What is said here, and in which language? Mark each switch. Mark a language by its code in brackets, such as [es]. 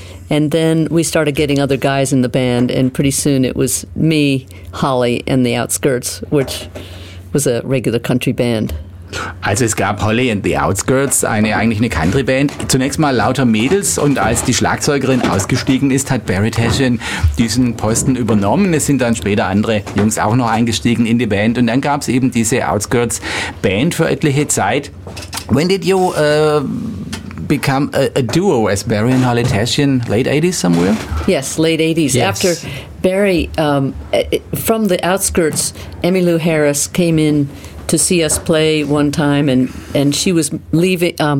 [en] And then we started getting other guys in the band, and pretty soon it was me, Holly, and the Outskirts, which was a regular country band. [de] Also es gab Holly and the Outskirts, eigentlich eine Country-Band. Zunächst mal lauter Mädels, und als die Schlagzeugerin ausgestiegen ist, hat Barry Tashian diesen Posten übernommen. Es sind dann später andere Jungs auch noch eingestiegen in die Band, und dann gab es eben diese Outskirts-Band für etliche Zeit. [en] When did you become a duo as Barry and Holly Tashian? Late 80s somewhere? Yes, late 80s. Yes. After Barry, from the Outskirts, Emmylou Harris came in to see us play one time, and she was leaving.